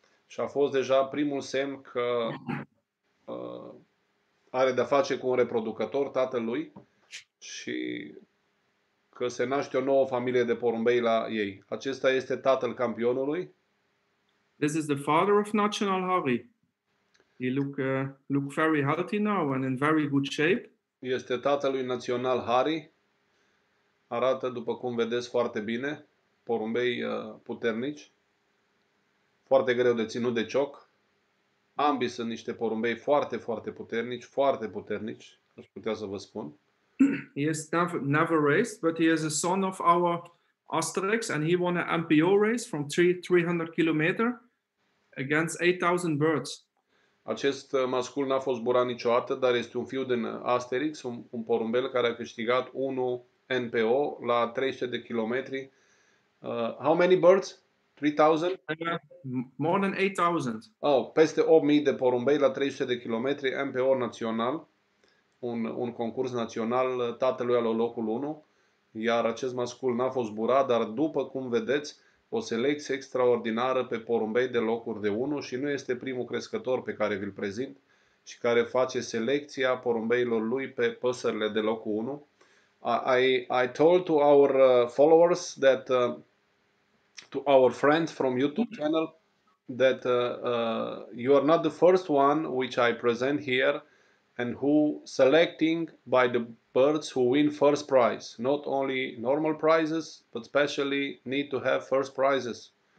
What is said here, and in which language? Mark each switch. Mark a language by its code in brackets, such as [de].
[ro] Și a fost deja primul semn că are de-a face cu un reproducător, tatălui, și că se naște o nouă familie de porumbei la ei. Acesta este tatăl campionului. [en] This is the father of National Harry. He look very healthy now and in very good shape. [ro] Este tatălui Național Harry. Arată, după cum vedeți, foarte bine. Porumbei puternici. Foarte greu de ținut de cioc. Ambii sunt niște porumbei foarte, foarte puternici. Foarte puternici, aș putea să vă spun. [en] He has never raced, but he is a son of our Asterix and he won an MPO race from 300 km against 8,000 birds. [ro] Acest mascul n-a fost zburat niciodată, dar este un fiu din Asterix, un porumbel care a câștigat 1 NPO la 300 de kilometri. [en] How many birds? 3,000? More than 8,000. [ro] Oh, peste 8,000 de porumbei la 300 de kilometri, MPO național, un concurs național, tatălui a luat locul 1, iar acest mascul n-a fost zburat, dar după cum vedeți, o selecție extraordinară pe porumbei de locuri de 1 și nu este primul crescător pe care vi-l prezint și care face selecția porumbeilor lui pe păsările de locul 1. [en] I told to our followers that to our friend from YouTube channel that you are not the first one which I present here and who selecting by the birds who win first prize, not only normal prizes but especially need to have first prizes.